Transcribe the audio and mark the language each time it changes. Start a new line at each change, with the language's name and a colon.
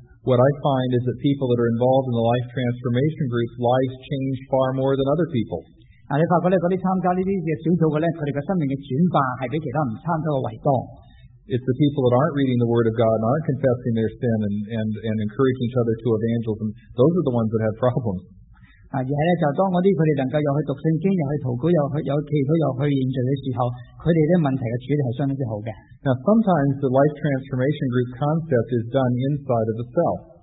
English: What I find is that people that are involved in the life transformation group, lives change far more than other people.
Chinese: 你發覺那些參加這些小組的，他們的生命的轉化是比其他人參加的為多。
English: It's the people that aren't reading the Word of God and aren't confessing their sin and encouraging each other to evangelism. Those are the ones that have problems.
Chinese: 而是当那些他们能够又去读圣经，又去祷告，又去祈祷，又去认罪的时候，他们的问题的处理是相当之好的。
English: Now, sometimes the life transformation group concept is done inside of the cell.